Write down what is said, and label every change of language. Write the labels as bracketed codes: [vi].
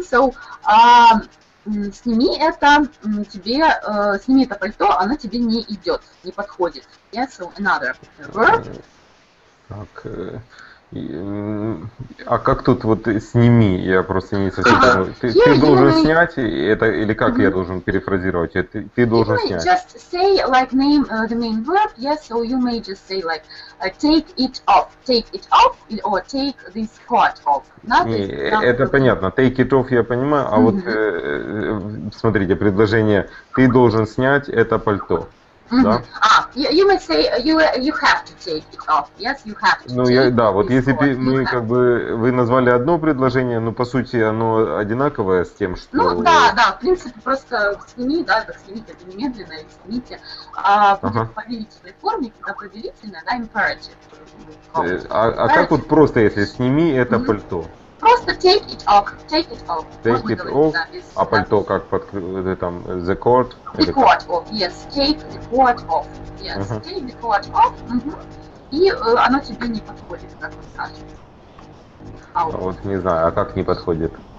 [ru] So, сними это пальто, оно тебе не идет, не подходит. [en] Yes, so another verb. [ru] Так. А как тут вот сними? Я просто не совсем понял. Ты должен снять это или как я должен перефразировать? Ты должен снять. [en] You may just say like name the main verb. Yes, so you may just say like take it off, or take this part off. [ru] Это понятно. [en] Take it off [ru] я понимаю. А вот смотрите предложение. Ты должен снять это пальто. [en] You may say you have to take it off. Yes, you have to. [ru] Ну [en] take [ru] я да, вот если бы мы как бы вы назвали одно предложение, но по сути оно одинаковое с тем, что. Ну да, да, в принципе просто сними, да, да, снимите это немедленно, и снимите повелительной форме, когда повелительная, да, imperative. А как вот просто если сними это пальто? Просто [en] take it off, take it off. Take it off. [ru] Да, а пальто как под там [en] the coat? The coat off. Yes, take the coat off. Yes, take the coat off. [ru] И оно тебе не подходит, как сказать. Вот не знаю, а как не подходит?